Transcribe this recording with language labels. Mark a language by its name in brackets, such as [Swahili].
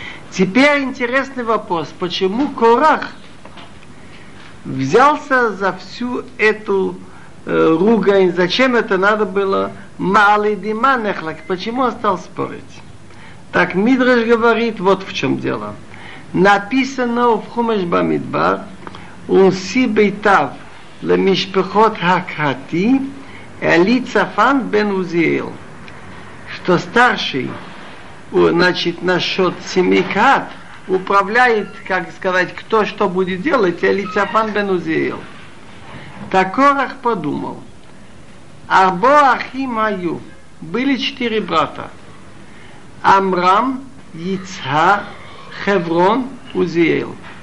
[Russian] Теперь интересный вопрос, почему Корах взялся за всю эту ругань, зачем это надо было, [Hebrew] маалей дима нехлак, [Russian] почему он стал спорить? Так Мидраш говорит, вот в чем дело. Написано в Хумаш Бамидбар, [Hebrew] ונשיא ביתיו למשפחות הקהתי, אלי צפן בן עוזיאל. [Russian] Что старший, значит, насчет семьи кат, управляет, как сказать, кто что будет делать, Эли Цафан бен Узиэл. Так Корах подумал, [Hebrew] арбо ахим аю, [Russian] были четыре брата, Амрам, Ицхар, Хеврон, Узиэл.